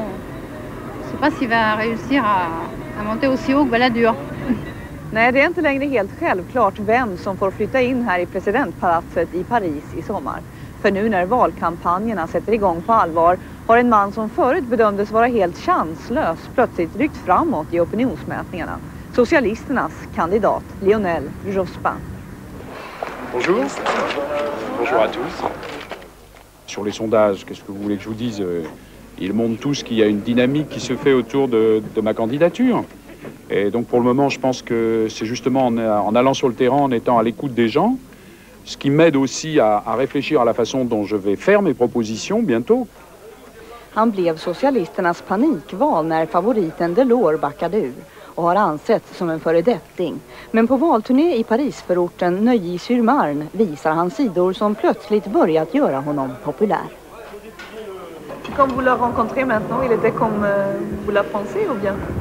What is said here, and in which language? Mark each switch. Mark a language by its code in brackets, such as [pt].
[fr] Je sais pas s'il va réussir à monter aussi haut que Balladur. [sv] Nej, det är inte längre helt självklart vem som får flytta in här i presidentpalatset i Paris i sommar. För nu när valkampanjerna sätter igång på allvar har en man som förut bedömdes vara helt chanslös plötsligt ryckt framåt i opinionsmätningarna. socialisternas kandidat Lionel Jospin. [fr] Bonjour. Bonjour à tous. Sur les sondages, qu'est-ce que vous voulez que je vous dise? Ils montrent tous qu'il y a une dynamique qui se fait autour de ma candidature. Et donc pour le moment, je pense que c'est justement en allant sur le terrain, en étant à l'écoute des gens, ce qui m'aide aussi à réfléchir à la façon dont je vais faire mes propositions bientôt. [sv] Han blev socialisternas panikval när favoriten Delors backade ur och har ansetts som en föredetting. Men på valturné i Parisförorten Neuilly-sur-Marne visar han sidor som plötsligt börjat göra honom populär. [fr] Quand vous l'avez rencontré maintenant, il était comme vous la pensez ou bien?